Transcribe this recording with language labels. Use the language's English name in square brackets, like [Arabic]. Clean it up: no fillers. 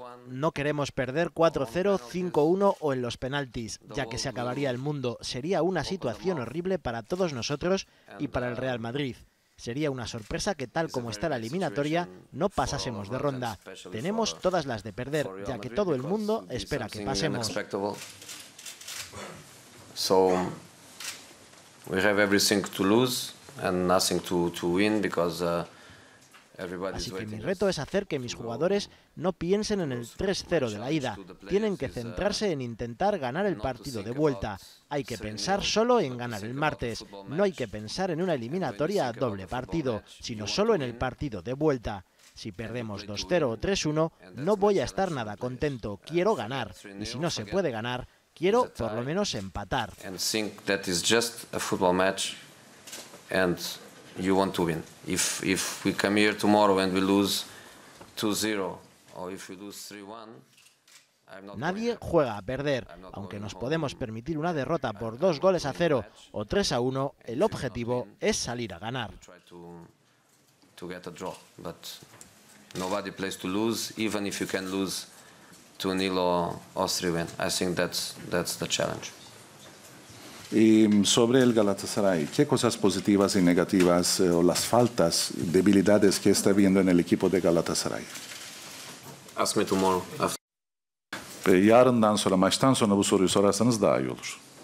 [Spanish] No queremos perder 4-0, 5-1 o en los penaltis, ya que se acabaría el mundo. Sería una situación horrible para todos nosotros y para el Real Madrid. Sería una sorpresa que, tal como está la eliminatoria, no pasásemos de ronda. Tenemos todas las de perder, ya que todo el mundo espera que pasemos. [English] So we have everything to lose and nothing to win because everybody's waiting. [Spanish] Así que mi reto es hacer que mis jugadores no piensen en el 3-0 de la ida. Tienen que centrarse en intentar ganar el partido de vuelta. Hay que pensar solo en ganar el martes. No hay que pensar en una eliminatoria a doble partido, sino solo en el partido de vuelta. Si perdemos 2-0 o 3-1, no voy a estar nada contento. Quiero ganar. Y si no se puede ganar, quiero por lo menos empatar. [English] And think that is just a football match and you want to win. If we come here tomorrow and we lose 2-0 or if we lose 3-1, I'm not. [Spanish] Nadie juega a perder, aunque nos podemos permitir una derrota por 2-0 o 3-1, el objetivo es salir a ganar. [English] To get a draw, but nobody plays to lose, even if you can lose 2-0 or 3-1. I think that's the challenge. [Spanish] Y sobre el Galatasaray, ¿qué cosas positivas y negativas o las faltas, debilidades que está viendo en el equipo de Galatasaray? [English] Ask me tomorrow. After. [Turkish] Yarından sonra, maçtan sonra bu soruyu sorarsanız daha iyi olur.